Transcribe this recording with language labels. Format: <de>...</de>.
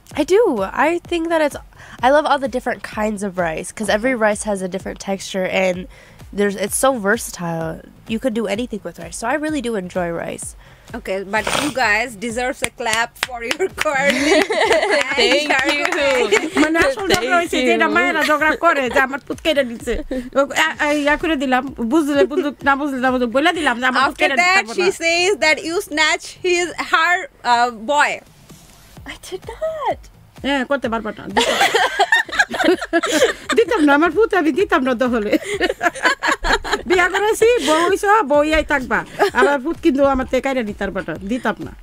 <en>I do. I think that it's... I love all the different kinds of rice because every rice has a different texture and it's so versatile. You could do anything with rice. So I really do enjoy rice. Okay, but you guys deserve a clap for your corny. Thank you.</en> <bn>মানে আসলে আমি যে এটা মায়েরা ঝগড়া করে যে আমার পুত কেটে দিচ্ছে, ইয়া করে দিলাম, বুঝলে বন্ধুক না বুঝলে না বন্ধুক বলে দিলাম যে আমার পুত কেটে দিচ্ছে।</bn> <en>After that, she says that you snatch his her boy. I did not.</en> <bn>হ্যাঁ, করতে পারবো না, দিতাম না আমার পুত, আমি দিতাম না দহলে। বিয়া করেছি, বউ হইছো, বউ ইয়াই থাকবা, আমার পুত কিন্তু আমার থেকে কাইরা নিতার পাটা দিতাম না।</bn>